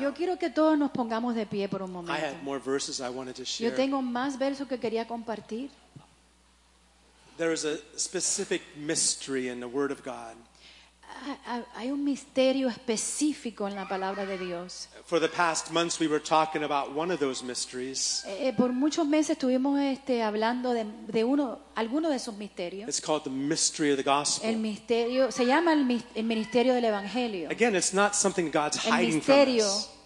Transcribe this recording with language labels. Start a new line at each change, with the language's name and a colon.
Spanish: Yo quiero que todos nos pongamos de pie por un momento.
English: I had more verses I wanted to share.
Spanish: Yo tengo más versos que quería compartir.
English: There is a specific mystery in the Word of God.
Spanish: Hay un misterio específico en la palabra de Dios.
English: For the past months we were talking about one of those mysteries.
Spanish: Por muchos meses estuvimos hablando de uno alguno de esos misterios.
English: It's called the mystery of the gospel.
Spanish: El misterio se llama el ministerio del evangelio.
English: Again, it's not something God's hiding from us.